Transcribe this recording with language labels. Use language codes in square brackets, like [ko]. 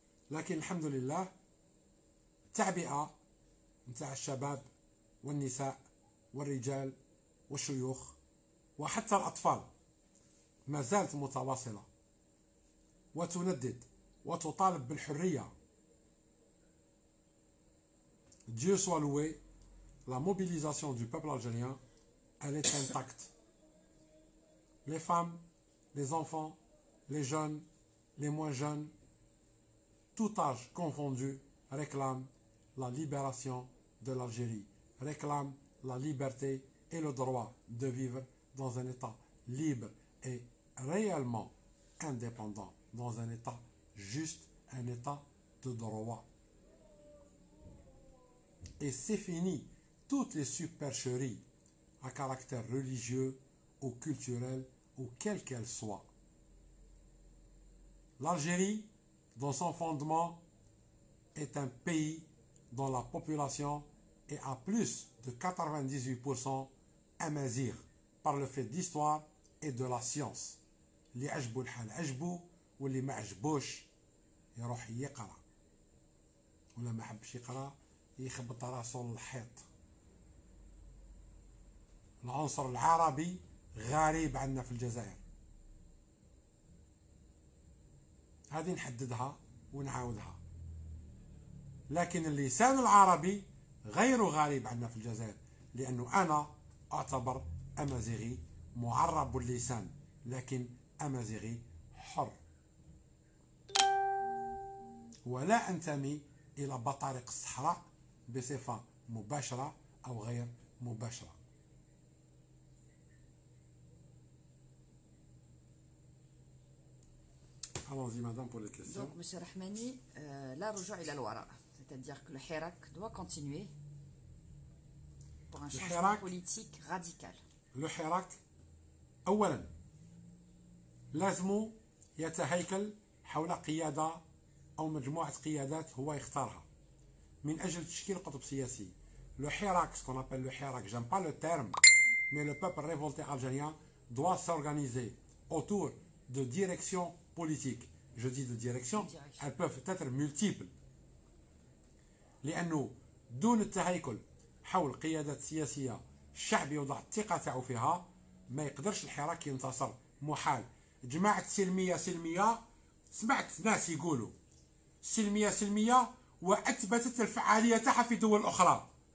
[ar] لكن الحمد لله تعبئة نتاع الشباب والنساء والرجال والشيوخ وحتى الأطفال مازالت متواصلة وتندد وتطالب بالحرية. [fr] Dieu soit loué, la mobilisation du peuple algérien elle est intacte. Les femmes, les enfants, les jeunes, les moins jeunes, tout âge confondu réclament la libération de l'Algérie, réclament la liberté et le droit de vivre dans un état libre et réellement indépendant, dans un état juste, un état de droit. Et c'est fini toutes les supercheries à caractère religieux ou culturel ou quelle qu'elle soit. L'Algérie, dans son fondement, est un pays dont la population est à plus de 98% amazigh par le fait d'histoire et de la science. [ar] Li ajbou l'hal ajbou ou li ma ajbouch يروح يقرأ ولا ما حبش يقرا يخبط راسه للحيط. العنصر العربي غريب عندنا في الجزائر، هذه نحددها ونعاودها. لكن اللسان العربي غير غريب عندنا في الجزائر، لأنه أنا أعتبر أمازيغي معرب اللسان، لكن أمازيغي حر، ولا أنتمي إلى بطارق الصحراء بصفة مباشرة أو غير مباشرة. [fr] Donc, M. Rahmani, là, rejoint il a l'ouara. C'est-à-dire que le Hirak doit continuer pour un changement politique radical. [ar] Le Hirak, أولاً, لازمو يتهيكل حول قيادة أو مجموعة قيادات هو يختارها من أجل تشكيل قطب سياسي. [fr] Le Hirak, ce qu'on appelle le Hirak, j'aime pas le terme, mais le peuple révolté algérien doit s'organiser autour de direction politique. Je dis de direction, elles peuvent être multiples. [ar] لأنه دون التهيكل حول قيادة سياسية الشعب يوضع الثقة تاعو فيها، ما يقدرش الحراك ينتصر، محال. جماعة سلمية سلمية، سمعت ناس يقولوا سلمية سلمية وأثبتت الفعالية تاعها في دول أخرى.